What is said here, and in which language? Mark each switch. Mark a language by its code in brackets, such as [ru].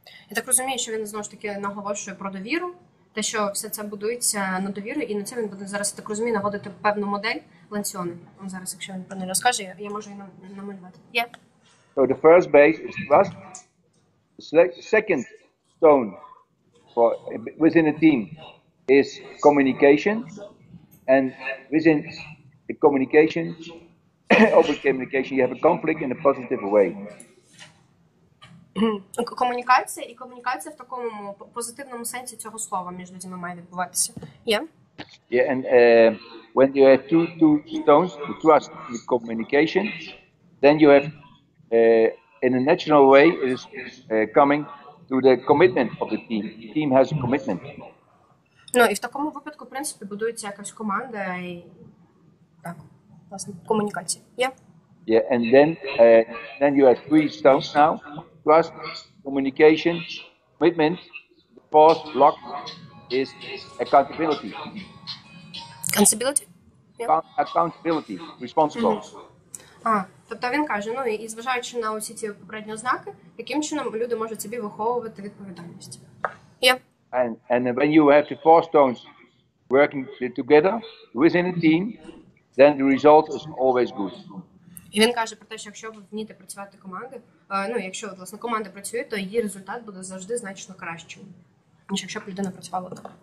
[uk] Я так розумію, що він знову ж таки наголошує про довіру, те, що все це будується на довірі, і на це він буде зараз, так розумію, наводити певну модель Lencioni. Він зараз, якщо він про неї розкаже, я можу її намалювати. [en] Yeah. So the first base is trust. The second stone for within a team is communication. And within the communication, open communication, you have a conflict in a positive way. [uk] Комунікація і комунікація в такому позитивному сенсі цього слова між людьми має відбуватися. [en] Yeah? Yeah, and when you have two stones, the trust and the communication, then you have, in a natural way, it is coming to the commitment of the team. The team has a commitment. [uk] Ну, і в такому випадку, в принципі, будується якась команда і, так, власне, комунікація. [en] Yeah? Yeah, and then you have three stones now. Trust, communication, commitment, the fourth block is accountability. Accountability? Yeah. Accountability, responsible. Mm-hmm. [uk] Тобто він каже, ну і зважаючи на усі ці попередні ознаки, яким чином люди можуть собі виховувати відповідальність? [en] Yeah. And when you have the four stones working together within a team, then the result is always good. [uk] І він каже про те, що якщо ви вмієте працювати команди, ну, якщо, власне, команда працює, то її результат буде завжди значно кращим, ніж якщо б людина працювала так.